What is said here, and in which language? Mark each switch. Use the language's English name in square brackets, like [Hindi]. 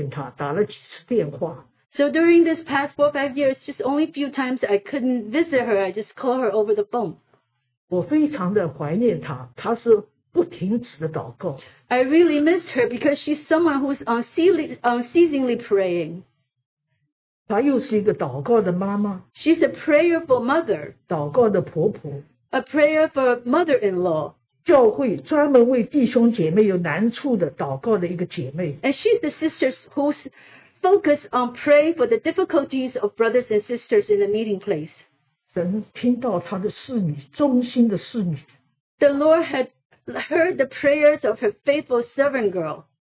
[Chinese] 我这个四五年当中，瘟疫期间我没有能够见她，打了几次电话。 [English] So during this past 4 or 5 years, just only a few times I couldn't visit her, I just call her over the phone. [Chinese] 我非常的怀念她，她是不停止的祷告。 [English] I really missed her because she's someone who's unceasingly praying. [Chinese] 她又是一个祷告的妈妈。 [English] She's a prayerful mother. [Chinese] 祷告的婆婆。 [English] A prayer for mother-in-law. [Chinese] 教会专门为弟兄姐妹有难处的祷告的一个姐妹。 [English] And she's the sister who's focus on pray for the difficulties of brothers and sisters in the meeting place. [Chinese] 神听到他的侍女，忠心的侍女。 [English] The Lord had heard the prayers of her faithful servant girl.